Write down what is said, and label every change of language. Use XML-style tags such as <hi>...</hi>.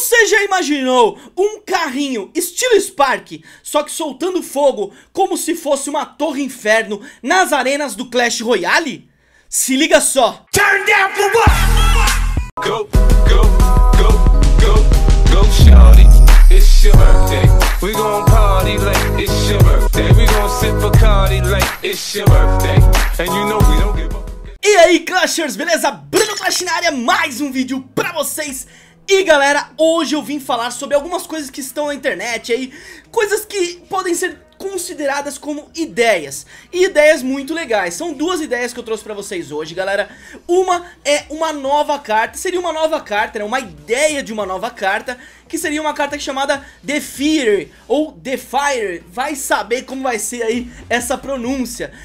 <pt>já imaginou um carrinho estilo Spark, só que soltando fogo como se fosse uma torre inferno nas arenas do Clash Royale? Se liga só!</pt> <en>Turn down for what? Go, go, go, go, go, shawty, it's your birthday. We gon' party like it's your birthday. We gon' sip a Cardi like it's your birthday. And you know we don't give a...</en> <pt>E aí, Clashers, beleza? Bruno Clash na área, mais um vídeo pra vocês. E galera, hoje eu vim falar sobre algumas coisas que estão na internet aí, coisas que podem ser consideradas como ideias, e ideias muito legais. São duas ideias que eu trouxe pra vocês hoje, galera. Uma é uma nova carta, seria uma nova carta, né? Uma ideia de uma nova carta, que seria uma carta chamada The Fear, ou The Fire, vai saber como vai ser aí essa pronúncia.</pt>